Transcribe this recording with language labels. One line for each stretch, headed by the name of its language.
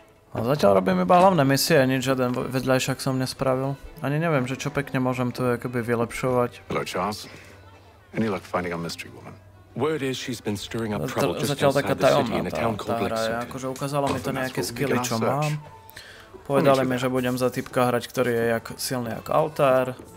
Slovak: A zatiaľ robím iba hlavné misie, nič žiaden vedľajšak som nespravil. Ani neviem, že čo pekne môžem to akoby vylepšovať.
English: Hello, Charles. Any luck finding a mystery woman? Word is she's been stirring up trouble just outside the city in a town called Lexington.
Slovak: Akože ukázala mi to nejaké skilly, čo mám. Povedali mi, že budem za typka hrať, ktorý je jak silný jak Altair.